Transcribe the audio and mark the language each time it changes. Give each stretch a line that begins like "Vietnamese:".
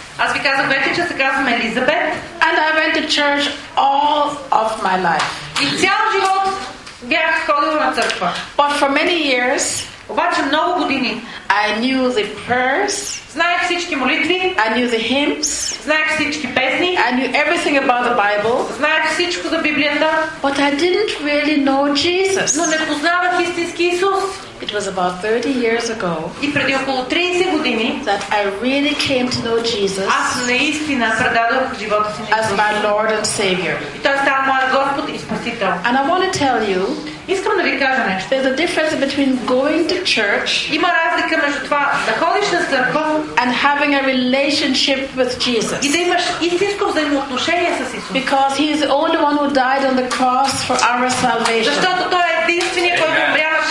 Bulgarian: Аз ви казах вече, че се казвам Елизабет.
English: And I went to church all of my life.
Bulgarian: И цял живот бях ходила на църква.
English: But for many years,
Bulgarian: обаче много години,
English: I knew the prayers.
Bulgarian: Знаех всички молитви.
English: I knew the hymns.
Bulgarian: Знаех всички песни.
English: I knew everything about the Bible.
Bulgarian: Знаех всичко за Библията.
English: But I didn't really know Jesus.
Bulgarian: Но не познавах истински Исус.
English: It was about 30 years ago
Bulgarian: и преди около 30 години,
English: that I really came to know Jesus
Bulgarian: аз наистина предадох живота си на
English: Исус, as my Lord and Savior.
Bulgarian: И той става моят Господ и Спасител.
English: And I want to tell you,
Bulgarian: искам да ви кажа нещо.
English: There's a difference between going to church,
Bulgarian: има разлика между това да ходиш на църква,
English: and having a relationship with Jesus,
Bulgarian: и да имаш истинско взаимоотношение с Исус.
English: Because He is the only one who died on the cross for our salvation.
Bulgarian: Защото Той е единственият, който умря.